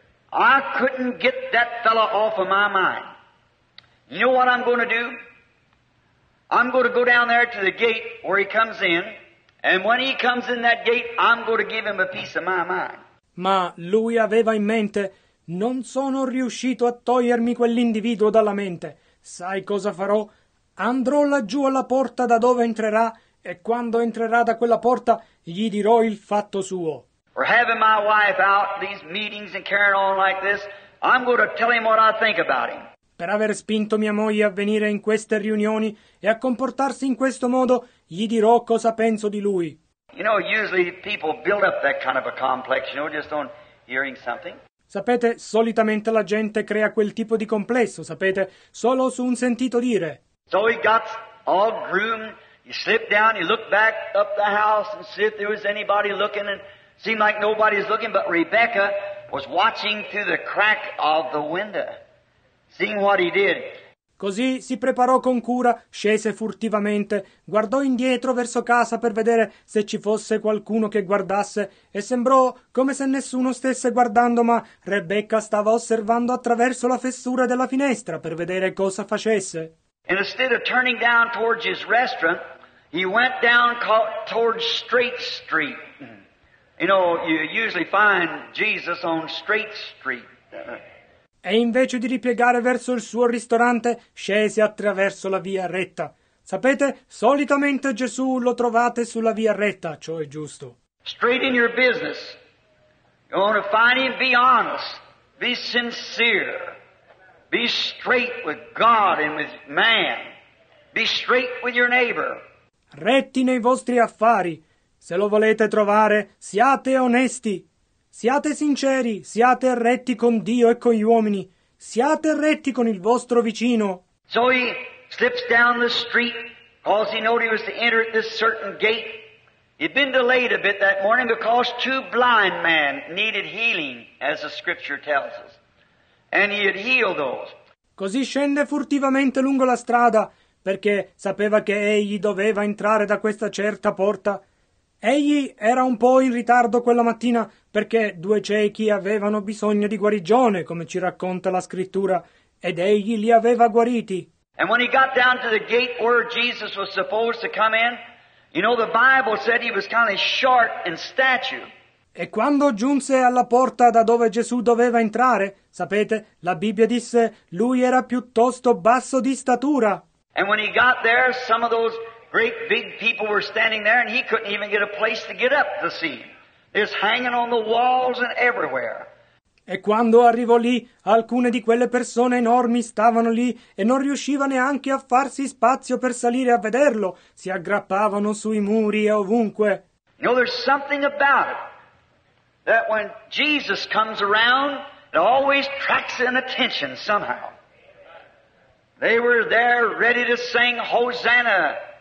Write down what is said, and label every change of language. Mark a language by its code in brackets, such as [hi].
[en] I couldn't get that fellow off of my mind. You know what I'm going to do? I'm going to go down there to the gate where he comes in, and when he comes in that gate, I'm going to give him a piece of my mind. [it] Ma lui aveva in mente, non sono riuscito a togliermi quell'individuo dalla mente. Sai cosa farò? Andrò laggiù alla porta da dove entrerà, e quando entrerà da quella porta, gli dirò il fatto suo. [en] Or having my wife out these meetings and carrying on like this, I'm going to tell him what I think about him. [it] Per aver spinto mia moglie a venire in queste riunioni e a comportarsi in questo modo, gli dirò cosa penso di lui. [en] You know, usually people build up that kind of a complex, you know, just on hearing something. [it] Sapete, solitamente la gente crea quel tipo di complesso, sapete, solo su un sentito dire. [en] So he got all groomed, he slipped down, he looked back up the house and see if there was anybody looking and seemed like nobody's looking, but Rebecca was watching through the crack of the window, seeing what he did. [it] Così si preparò con cura, scese furtivamente, guardò indietro verso casa per vedere se ci fosse qualcuno che guardasse, e sembrò come se nessuno stesse guardando, ma Rebecca stava osservando attraverso la fessura della finestra per vedere cosa facesse. [en] And instead of turning down towards his restaurant, he went down towards Straight Street. You know, you usually find Jesus on Straight Street. [it] E invece di ripiegare verso il suo ristorante, scese attraverso la via retta. Sapete, solitamente Gesù lo trovate sulla via retta, ciò è giusto. [en] Straight in your business. You want to find him? Be honest. Be sincere. Be straight with God and with man. Be straight with your neighbor. [it] Retti nei vostri affari. Se lo volete trovare, siate onesti. Siate sinceri, siate retti con Dio e con gli uomini. Siate retti con il vostro vicino. [en] So he slips down the street because he knew he was to enter at this certain gate. He'd been delayed a bit that morning because two blind men needed healing, as the scripture tells us. And he had healed those. [it] Così scende furtivamente lungo la strada, perché sapeva che egli doveva entrare da questa certa porta. Egli era un po' in ritardo quella mattina, perché due ciechi avevano bisogno di guarigione, come ci racconta la scrittura, ed egli li aveva guariti. [en] And when he got down to the gate where Jesus was supposed to come in, you know, the Bible said he was kind of short in stature. [it] E quando giunse alla porta da dove Gesù doveva entrare, sapete, la Bibbia disse, lui era piuttosto basso di statura. [en] And when he got there, some of those great big people were standing there and he couldn't even get a place to get up to see. It's hanging on the walls and everywhere. [it] E quando arrivò lì, alcune di quelle persone enormi stavano lì e non riusciva neanche a farsi spazio per salire a vederlo. Si aggrappavano sui muri e ovunque. [en] You know, there's something about it that when Jesus comes around, it always attracts an attention somehow. They were there ready to sing Hosanna.